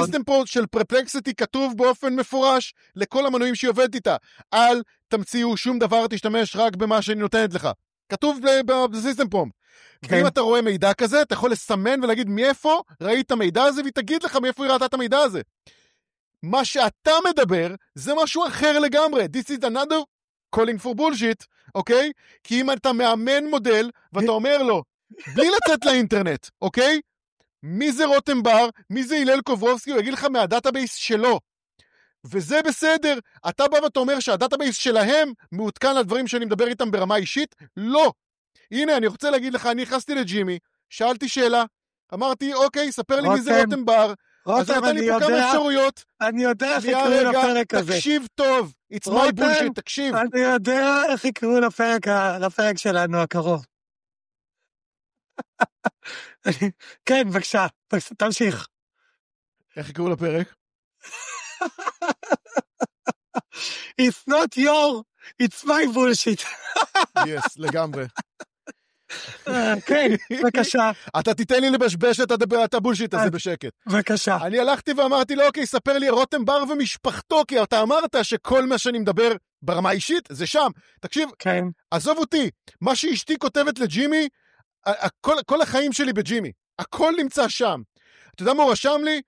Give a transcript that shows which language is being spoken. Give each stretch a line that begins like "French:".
Hebrew: בסיסטם פה של פרפלקסיטי כתוב באופן מפורש לכל המנויים שהיא עובדת איתה. אל תמציאו שום דבר, תשתמש רק במה שאני נותנת לך. כתוב בסיסטם פה. כן. ואם אתה רואה מידע כזה, אתה יכול לסמן ולהגיד מאיפה ראית המידע הזה, והיא תגיד לך מאיפה היא ראתה את המידע הזה. מה שאתה מדבר, זה משהו אחר לגמרי.
English: This is another calling for bullshit, אוקיי?
Hebrew: כי אם אתה מאמן מודל, ואתה אומר לו, בלי לצאת לאינטרנט, אוקיי? מי זה רותם בר? מי זה הלל קוברובסקי? הוא יגיד לך מהדאטאבייס שלו. וזה בסדר. אתה בא ואתה אומר שהדאטאבייס שלהם מעודכן לדברים שאני מדבר איתם ברמה אישית? לא. הנה, אני רוצה להגיד לך, אני חסתי לג'ימי, שאלתי שאלה, אמרתי, אוקיי, ספר לי מי זה רותם בר, אז אתה לי פה כמה אפשרויות. אני יודע איך יקראו לפרק הזה. תקשיב טוב,
English: it's my bullshit,
Hebrew: תקשיב. אני יודע איך יקראו לפרק שלנו הקרוב. כן, בבקשה, תמשיך. איך יקראו לפרק?
English: It's not your, it's my bullshit. Yes,
Hebrew: לגמרי. כן, בבקשה. אתה תיתן לי לבשבש את הבולשיט הזה בשקט. בבקשה. אני הלכתי ואמרתי לו, אוקיי, ספר לי רותם בר ומשפחתו, כי אתה אמרת שכל מה שאני מדבר ברמה אישית זה שם. תקשיב, עזוב אותי, מה שאשתי כותבת לג'ימי, כל החיים שלי בג'ימי, הכל נמצא שם. אתה יודע מה הוא רשם לי?